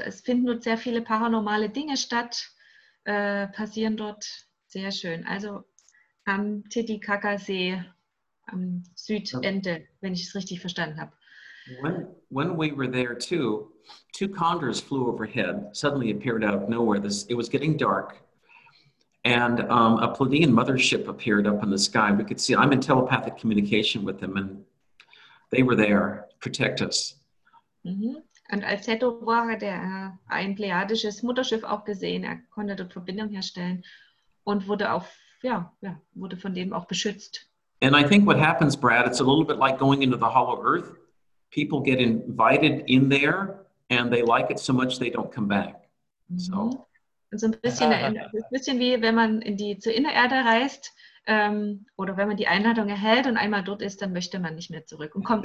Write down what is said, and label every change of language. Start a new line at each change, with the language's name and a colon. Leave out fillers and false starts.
German: Es finden dort sehr viele paranormale Dinge statt, passieren dort sehr schön. Also am Titicacasee am Südende, wenn ich es richtig verstanden habe.
English: When we were there too, two condors flew overhead, suddenly appeared out of nowhere. It was getting dark. And a Pleiadian mothership appeared up in the sky. We could see, I'm in telepathic communication with them, and they were there to protect us. Mm-hmm.
German: Und als Teto war, hat er ein pleiadisches Mutterschiff auch gesehen. Er konnte dort Verbindung herstellen und wurde von dem auch beschützt.
English: And I think what happens, Brad, it's a little bit like going into the hollow earth. People get invited in there and they like it so much they don't come back. Mm-hmm.
German: So ein bisschen wie wenn man in die zur Innererde reist oder wenn man die Einladung erhält und einmal dort ist, dann möchte man nicht mehr zurück und kommt.